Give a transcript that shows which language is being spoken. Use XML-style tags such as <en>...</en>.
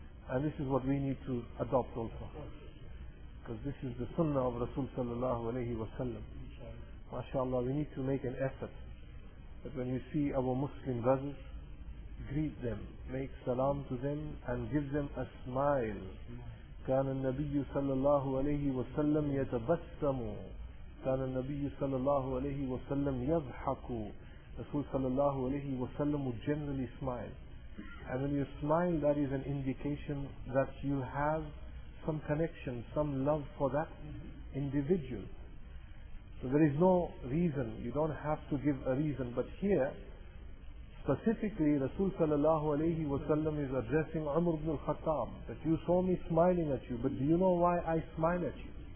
<en>And this is what we need to adopt also, because this is the sunnah of Rasul sallallahu alayhi wa sallam. MashaAllah, we need to make an effort that when you see our Muslim brothers, greet them, make salam to them, and give them a smile.</en> <ar>كان النبي صلى الله عليه وسلم يتبسم. كان النبي صلى الله عليه وسلم يضحك.</ar> <en>Rasul sallallahu alayhi wa sallam would generally smile. And when you smile, that is an indication that you have some connection, some love for that individual. So there is no reason, you don't have to give a reason. But here, specifically, Rasul sallallahu alayhi wa sallam is addressing Umar ibn al-Khattab, that you saw me smiling at you, but do you know why I smile at you?</en>